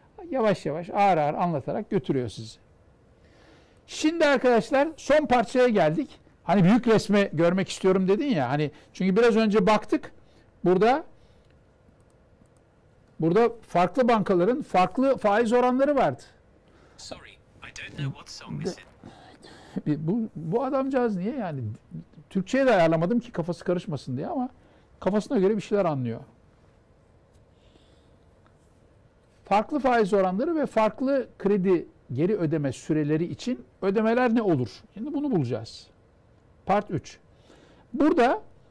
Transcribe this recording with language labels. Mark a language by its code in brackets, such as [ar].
[tr] Yavaş yavaş ağır ağır anlatarak götürüyor sizi. Şimdi arkadaşlar son parçaya geldik. Hani büyük resmi görmek istiyorum dedin ya. Hani çünkü biraz önce baktık burada. Burada farklı bankaların farklı faiz oranları vardı. [en] Sorry, I don't know what song this is. [tr] Bu adamcağız niye yani? Türkçe'ye de ayarlamadım ki kafası karışmasın diye ama kafasına göre bir şeyler anlıyor. Farklı faiz oranları ve farklı kredi geri ödeme süreleri için ödemeler ne olur? Şimdi bunu bulacağız. Part 3. Burada...